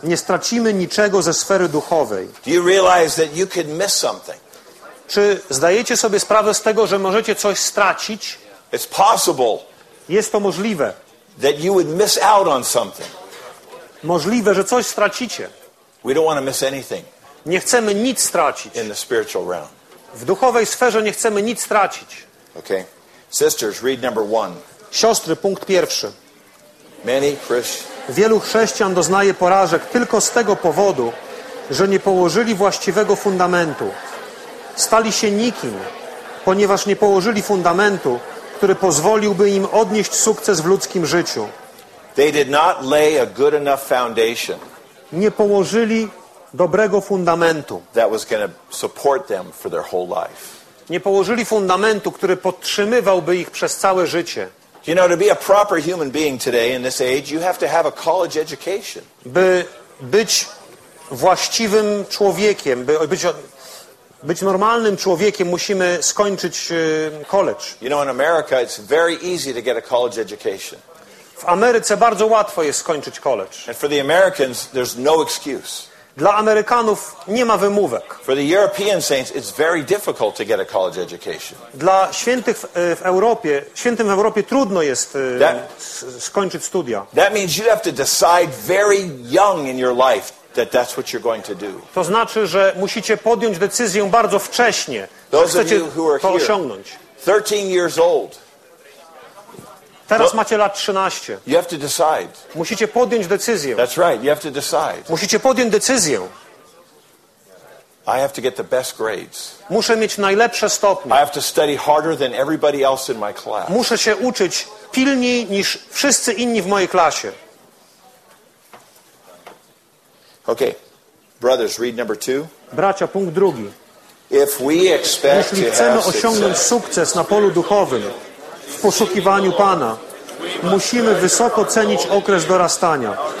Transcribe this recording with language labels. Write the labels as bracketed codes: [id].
[pl] Nie stracimy niczego ze sfery duchowej. [en] Do you realize that you could miss something? [pl] Czy zdajecie sobie sprawę z tego, że możecie coś stracić? [en] It's possible. [pl] Jest to możliwe. [en] That you would miss out on something. [pl] Możliwe, że coś stracicie. [en] We don't want to miss anything. [pl] Nie chcemy nic stracić. [en] In the spiritual realm. W duchowej sferze nie chcemy nic stracić. Okay. Sisters, read number one. [pl] Siostry, punkt pierwszy. [en] Many Christians. [pl] Wielu chrześcijan doznaje porażek tylko z tego powodu, że nie położyli właściwego fundamentu. Stali się nikim, ponieważ nie położyli fundamentu, który pozwoliłby im odnieść sukces w ludzkim życiu. [en] They did not lay a good enough foundation. [pl] Nie położyli dobrego fundamentu, [en] that was going to support them for their whole life. [pl] nie położyli fundamentu, który podtrzymywałby ich przez całe życie. [en] You know, to be a proper human being today in this age, you have to have a college education. [pl] By być właściwym człowiekiem, by być normalnym człowiekiem, musimy skończyć college. [en] You know, in America it's very easy to get a college education. [pl] W Ameryce bardzo łatwo jest skończyć college. [en] And for the Americans there's no excuse. [pl] Dla Amerykanów nie ma wymówek. [en] For the European saints it's very difficult to get a college education. [pl] Dla świętych w Europie, świętym w Europie trudno jest skończyć studia. [en] That means you have to decide very young in your life that that's what you're going to do. [pl] To znaczy, że musicie podjąć decyzję bardzo wcześnie, [en] those [pl] że chcecie [en] of you who are [pl] to osiągnąć. [en] 13 years old. [pl] Teraz macie lat 13. [en] You have to decide. [pl] Musicie podjąć decyzję. [en] That's right. You have to decide. [pl] Musicie podjąć decyzję. [en] I have to get the best grades. [pl] Muszę mieć najlepsze stopnie. [en] I have to study harder than everybody else in my class. [pl] Muszę się uczyć pilniej niż wszyscy inni w mojej klasie. [en] Okay. Brothers, read number two. [pl] Bracia, punkt drugi. [en] If we expect [pl] jeśli chcemy osiągnąć sukces na polu duchowym, w poszukiwaniu Pana, musimy wysoko cenić okres dorastania.